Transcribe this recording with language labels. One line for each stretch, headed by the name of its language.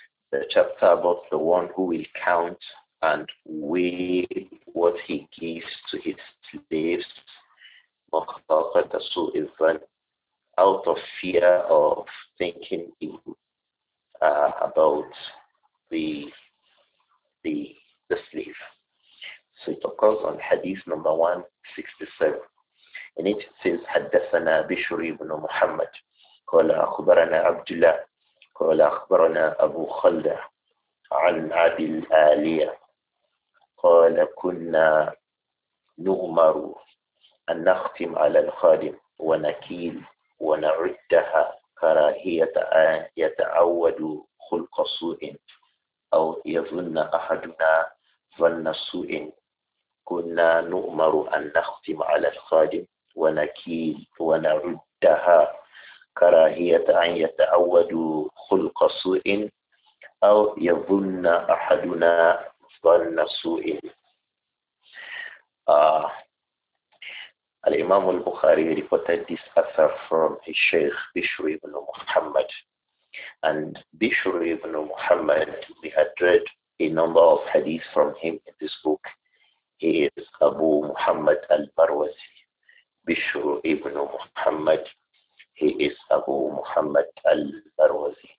English: The chapter about the one who will count and weigh what he gives to his slaves,
Arabic: مخافة سوء الظن,
English: out of fear of thinking about the slave. So it occurs on hadith number 167. And it says,
Arabic: حدثنا بشر بن محمد قال أخبرنا عبد الله قال أخبرنا أبو خلدة عن عبد الآلية قال كنا نؤمر أن نختم على الخادم ونكيل ونعدها كراهية أن يتعود خلق سوء أو يظن أحدنا ظن سوء. كنا نؤمر أن نختم على الخادم ونكيل ونردها كراهية أن يتعود خلق سوء أو يظن أحدنا ظن سوء.
English: الإمام البخاري reported this answer from his Sheikh Bishr ibn Muhammad. And Bishr ibn Muhammad, we had read a number of hadith from him in this book. He is Abu Muhammad al-Barwazi. Bishr ibn Muhammad, he is Abu Muhammad al-Barwazi.